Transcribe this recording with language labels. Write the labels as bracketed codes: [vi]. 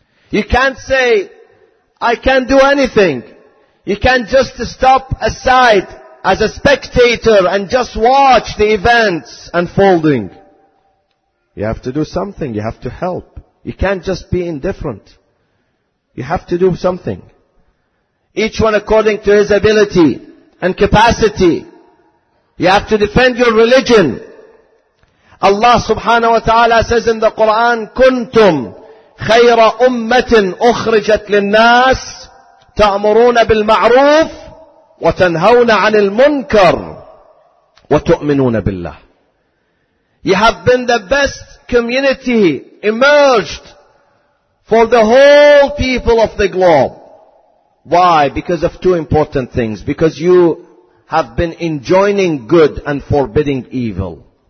[en] You can't say, I can't do anything. You can't just stop aside as a spectator and just watch the events unfolding. You have to do something. You have to help. You can't just be indifferent. You have to do something. Each one according to his ability and capacity. You have to defend your religion. Allah subhanahu wa ta'ala says in the Quran, [ar] كُنْتُمْ خَيْرَ أُمَّةٍ أُخْرِجَتْ لِلنَّاسِ تَأْمُرُونَ بِالْمَعْرُوفِ وَتَنْهَوْنَ عَنِ الْمُنْكَرِ وَتُؤْمِنُونَ بِاللَّهِ. [en] You have been the best community emerged for the whole people of the globe. Why? Because of two important things. Because you have been enjoining good and forbidding evil.